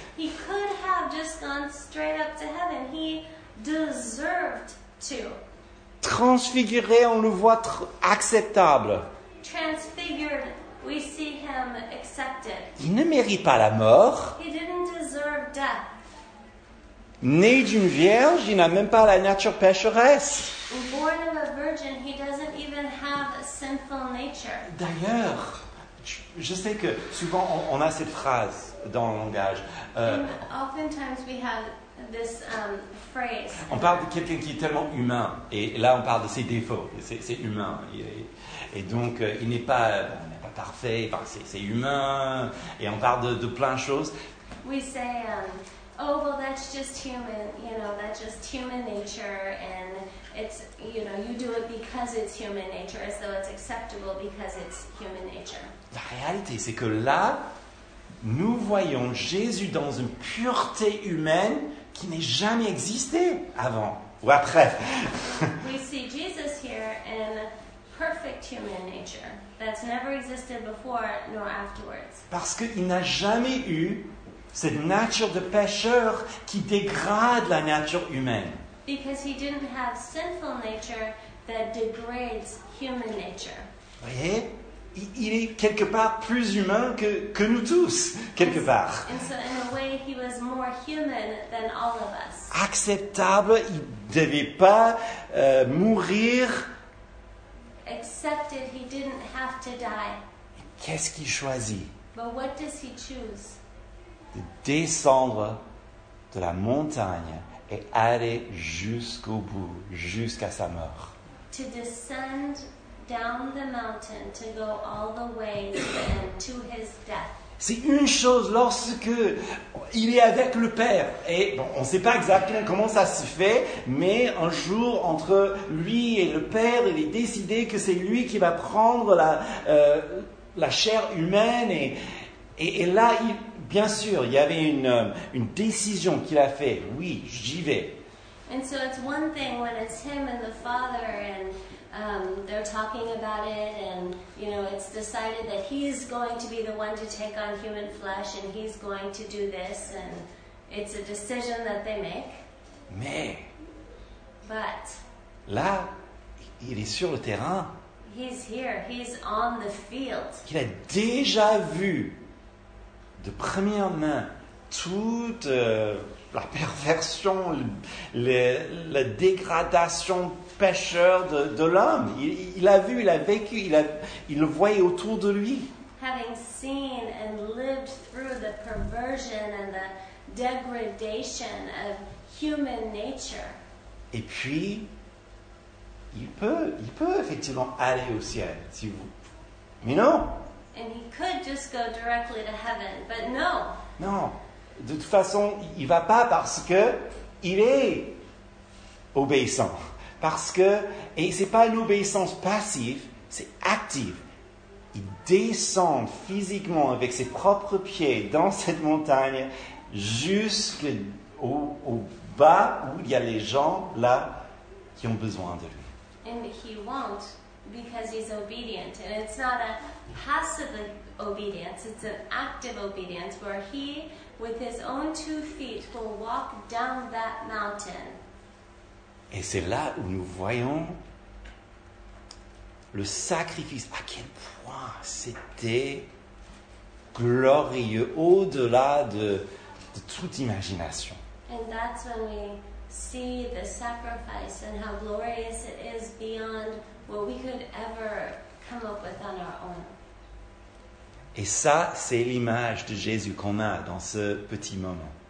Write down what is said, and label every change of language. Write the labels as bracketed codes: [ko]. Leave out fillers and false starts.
[en] He could have just gone straight up to heaven. He deserved to. [fr] Transfiguré, on le voit acceptable. [en] Transfigured, we see him accepted. [fr] Il ne mérite pas la mort. [en] He didn't deserve death. [fr] Né d'une vierge, il n'a même pas la nature pécheresse. [en] Born of a virgin, he doesn't even have a sinful nature. [fr] D'ailleurs, je sais que souvent on a cette phrase dans le langage. [en] Oftentimes we have this phrase. [fr] On parle de quelqu'un qui est tellement humain, et là on parle de ses défauts. C'est humain, et donc il n'est pas, parfait. C'est humain, et on parle de plein de choses. [en] We say that's just human, you know, that's just human nature, and it's, you know, you do it because it's human nature, as though it's acceptable because it's human nature. [fr] La réalité, c'est que là, nous voyons Jésus dans une pureté humaine qui n'est jamais existé avant ou après. [en] We see Jesus here in perfect human nature that's never existed before nor afterwards. [fr] Parce qu'il n'a jamais eu cette nature de pécheur qui dégrade la nature humaine. [en] Because he didn't have sinful nature that degrades human nature. [fr] Vous voyez, il est quelque part plus humain que nous tous, quelque part. [en] And so in a way he was more human than all of us. [fr] Acceptable, il ne devait pas mourir. [en] Accepted, he didn't have to die. [fr] Qu'est-ce qu'il choisit? [en] But what does he choose? [fr] De descendre de la montagne et aller jusqu'au bout, jusqu'à sa mort. [en] To descend down the mountain, to go all the way to his death. [fr] C'est une chose lorsque il est avec le Père. Et bon, on ne sait pas exactement comment ça se fait, mais un jour, entre lui et le Père, il est décidé que c'est lui qui va prendre la chair humaine. Et là, il... Bien sûr, il y avait une décision qu'il a fait. Oui, j'y vais. [en] And so it's one thing when it's him and the father and they're talking about it and you know it's decided that he's going to be the one to take on human flesh and he's going to do this and it's a decision that they make. [fr] Mais [en] but [fr] là, il est sur le terrain. [en] He's here. He's on the field. [fr] Il a déjà vu de première main toute la perversion, la dégradation pécheur de l'homme. Il a vu, il a vécu, il le voyait autour de lui. [en] Having seen and lived through the perversion and the degradation of human nature. [fr] Et puis, il peut effectivement aller au ciel, si vous... Mais non! [en] And he could just go directly to heaven, but no. [fr] Non, de toute façon, il va pas parce que il est obéissant. Parce que, et c'est pas une obéissance passive, c'est active. Il descend physiquement avec ses propres pieds dans cette montagne jusqu'au bas où il y a les gens là qui ont besoin de lui. [en] And he won't Because he's obedient, and it's not a passive obedience, it's an active obedience where he, with his own two feet, will walk down that mountain. [fr] Et c'est là où nous voyons le sacrifice, à quel point c'était glorieux, au-delà de toute imagination. [en] And that's when we see the sacrifice and how glorious it is beyond what we could ever come up with on our own. [fr] Et ça, c'est l'image de Jésus qu'on a dans ce petit moment.